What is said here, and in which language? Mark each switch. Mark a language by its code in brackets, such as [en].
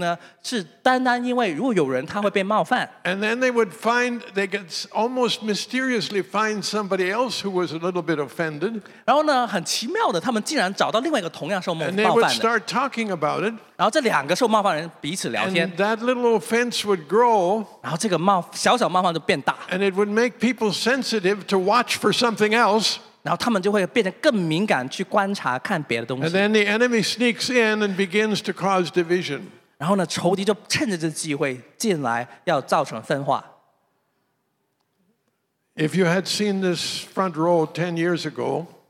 [zh] 他能成为一个问题呢,是单单因为如果有人他会被冒犯, [en] and then they would find, they could almost mysteriously find somebody else who was a little bit offended. [zh] 然后呢,很奇妙的,他们竟然找到另外一个同样受冒犯的, [en] and they would start talking about it. [zh] 然后这两个受冒犯人彼此聊天, [en] and that little offense would grow. [zh] 然后这个冒,小小冒犯就变大, [en] and it would make people sensitive to watch for something else. [zh] 然后他们就会变得更敏感去观察看别的东西。 [en] And then the enemy sneaks in and begins to cause division. [zh] 然后呢, 仇敌就趁着这机会进来要造成分化。 [en] If you had seen this front row 10 years ago,